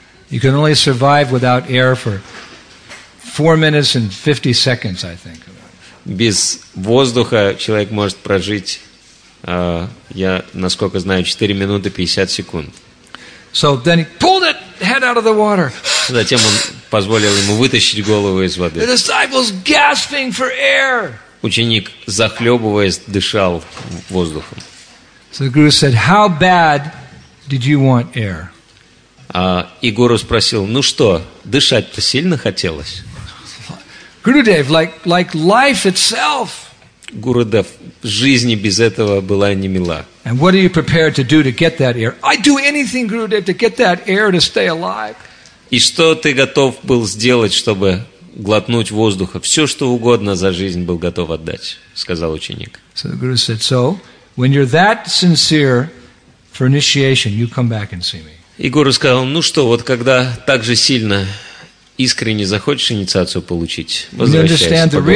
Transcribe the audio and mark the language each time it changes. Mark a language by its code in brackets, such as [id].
[en] You can only survive without air for 4 minutes and 50 seconds, I think. [ru] Без воздуха человек может прожить, я, насколько знаю, 4 минуты 50 секунд. [en] So then he pulled that head out of the water. [ru] Затем он позволил ему вытащить голову из воды. [en] The disciples gasping for air. [ru] Ученик, захлебываясь, дышал воздухом. [en] So the guru said, "How bad did you want air?" [ru] И гуру спросил: "Ну что, дышать-то сильно хотелось?" [en] Gurudev, like life itself. [ru] Gurudev, жизнь без этого была не мила. [en] And what are you prepared to do to get that air? I'd do anything, Gurudev, to get that air to stay alive. [ru] И что ты готов был сделать, чтобы глотнуть воздуха? Все, что угодно за жизнь был готов отдать, сказал ученик. [en] So the guru said, "So when you're that sincere for initiation, you come back and see me." [ru] И гуру сказал: "Ну что, вот когда так же сильно искренне захочешь инициацию получить, возвращайся,